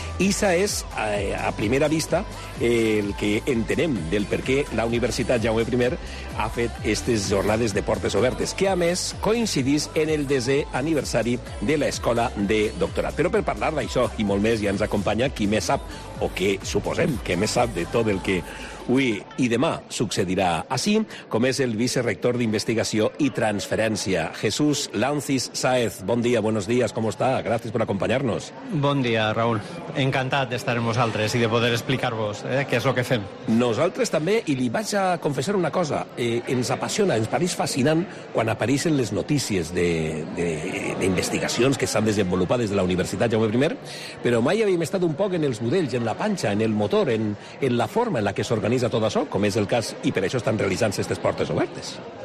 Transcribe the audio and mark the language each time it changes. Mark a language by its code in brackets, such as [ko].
[ca] Isa és, a primera vista, el que entenem del per què la Universitat Jaume I ha fet aquestes jornades de portes obertes, que, a més, coincidís en el desè aniversari de l'Escola de Doctorat. Però per parlar d'això i molt més, ja ens acompanya qui més sap, o que suposem que més sap de tot el que avui i demà succeirà així, com és el vicerrector d'Investigació i Transferència, Jesús Lancis Sáez. Bon dia, [es] buenos días, ¿cómo está? Gracias por acompañarnos. [ca] Bon dia, Raúl. Encantat d'estar amb vosaltres i de poder explicar-vos què és el que fem. Nosaltres també, i li vaig a confessar una cosa, ens apassiona, ens pareix fascinant quan apareixen les notícies d'investigacions que s'han desenvolupat des de la Universitat Jaume I, però mai havíem estat un poc en els budells, en la panxa, en el motor, en la forma en la que organitza tot això, com és el cas, i per això estan realitzant-se aquestes portes obertes.